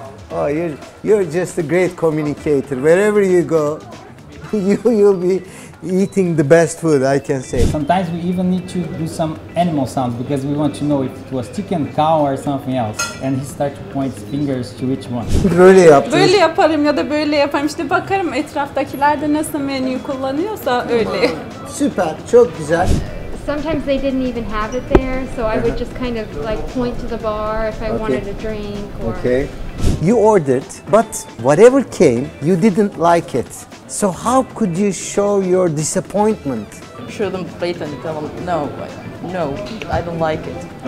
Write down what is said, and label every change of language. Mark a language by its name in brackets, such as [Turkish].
[English] Oh, you're just a great communicator. Wherever you go, you'll be eating the best food, I can say. Sometimes we even need to do some animal sounds because we want to know if it was chicken, cow or something else. And he starts to point fingers to which one. [Turkish] Böyle yaptınız. Böyle yaparım ya da böyle yaparım. İşte bakarım etraftakiler de nasıl menü kullanıyorsa öyle. Süper, çok güzel. [English] Sometimes they didn't even have it there, so I would just kind of like point to the bar if I wanted a drink. Okay. You ordered, but whatever came, you didn't like it. So how could you show your disappointment? Show them plate and tell them, no, I don't like it.